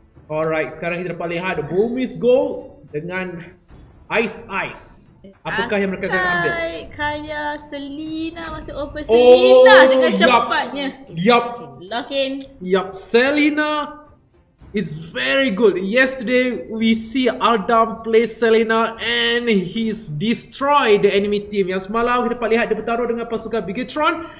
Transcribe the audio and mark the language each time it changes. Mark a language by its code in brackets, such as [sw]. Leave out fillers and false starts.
[ms] Alright, sekarang kita dapat lihat Boomis Gold dengan Ice. Apakah yang mereka akan ambil? Kaya Selena masuk open. Selena dengan cepatnya. Yup. [en] Lock in. Yup. Selena is very good. Yesterday we see Adam play Selena and he's destroyed the enemy team. [ms] Yang semalam kita dapat lihat dia bertarung dengan pasukan Bigatron.